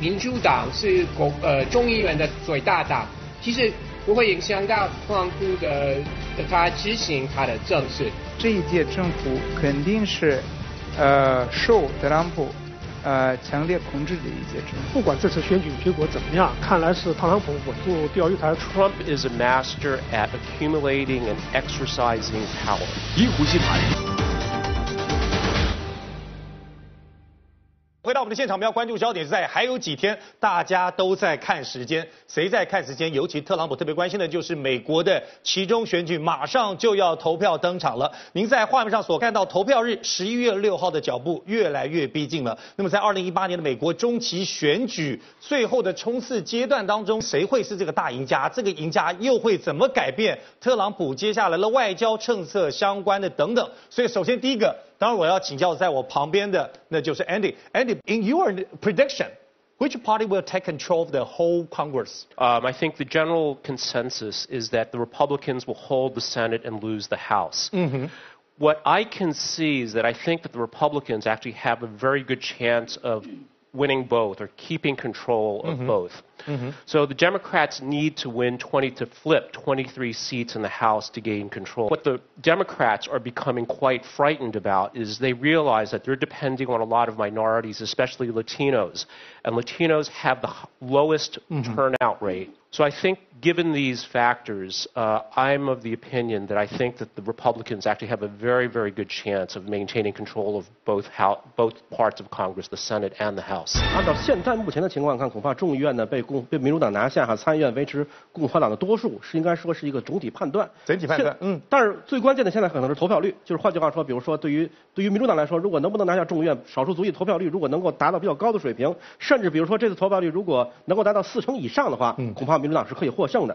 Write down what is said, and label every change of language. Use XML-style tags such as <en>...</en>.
<zh>民主党是众议院的最大党，其实不会影响到特朗普的他执行他的政策。这一届政府肯定是受特朗普强烈控制的一届政府。不管这次选举结果怎么样，看来是特朗普稳住钓鱼台。</zh> <en>Trump is a master at accumulating and exercising power.</en> <zh>一壶鸡排。回到我们的现场，我们要关注焦点是在还有几天，大家都在看时间，谁在看时间？尤其特朗普特别关心的就是美国的其中选举，马上就要投票登场了。您在画面上所看到投票日11月6号的脚步越来越逼近了。那么在2018年的美国中期选举最后的冲刺阶段当中，谁会是这个大赢家？这个赢家又会怎么改变特朗普接下来的外交政策相关的等等？所以首先第一个，当然我要请教在我旁边的那就是 Andy。</zh> <en>Andy, in your prediction, which party will take control of the whole Congress? I think the general consensus is that the Republicans will hold the Senate and lose the House. What I can see is that I think that the Republicans actually have a very good chance of winning both or keeping control of both. So the Democrats need to win 20 to flip 23 seats in the House to gain control. What the Democrats are becoming quite frightened about is they realize that they're depending on a lot of minorities, especially Latinos, and Latinos have the lowest turnout rate. So I think given these factors, I'm of the opinion that I think that the Republicans actually have a very, very good chance of maintaining control of both parts of Congress, the Senate and the House.</en> <zh>按照现在目前的情况看，恐怕众议院呢被民主党拿下，哈，参议院维持共和党的多数，是应该说是一个总体判断。整体判断，但是最关键的现在可能是投票率，就是换句话说，比如说对于民主党来说，如果能不能拿下众议院，少数族裔投票率如果能够达到比较高的水平，甚至比如说这次投票率如果能够达到40%以上的话，恐怕民主党是可以获胜的。</zh>